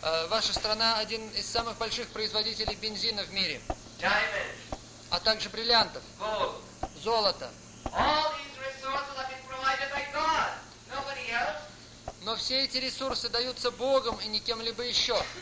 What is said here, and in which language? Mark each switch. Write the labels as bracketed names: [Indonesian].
[Russian] Ваша страна – один из самых больших производителей бензина в мире. [English] Diamond. [Russian] А также бриллиантов. [English] Gold. [Russian] Золото. [English] All these resources are being provided by God. Nobody else. [Russian] Но все эти ресурсы даются Богом и не кем-либо еще.